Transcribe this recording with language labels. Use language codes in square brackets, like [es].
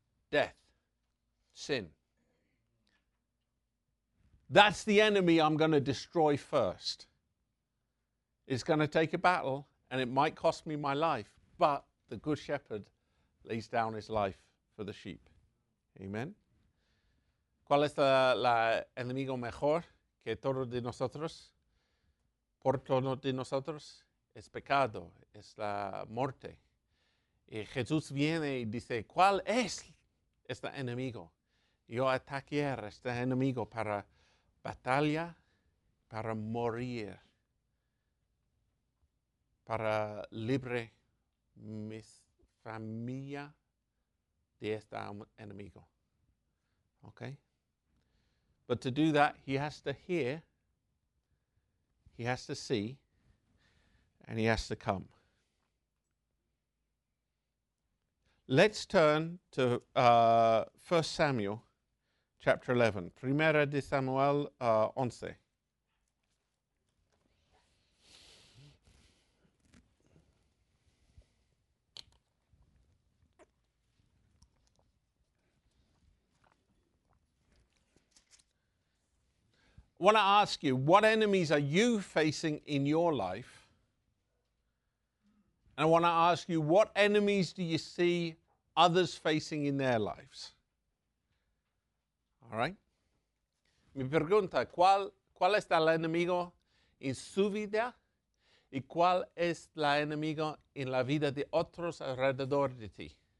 [en] Death. Sin. That's the enemy I'm going to destroy first. It's going to take a battle, and it might cost me my life, but the good shepherd lays down his life for the sheep. Amen. [es] ¿Cuál es el enemigo mejor que todos de nosotros? Por todos de nosotros es pecado, es la muerte. Y Jesús viene y dice, ¿cuál es este enemigo? Yo ataqué a este enemigo para batalla, para morir, para libre mi familia de este enemigo. [en] Okay? But to do that, he has to hear, he has to see, and he has to come. Let's turn to 1 Samuel chapter 11. [es] Primera de Samuel 11. [en] I want to ask you, what enemies are you facing in your life? And I want to ask you, what enemies do you see others facing in their lives? All right? [es] Mi pregunta, ¿cuál es el enemigo en su vida? ¿Y cuál es el enemigo en la vida de otros alrededor de ti?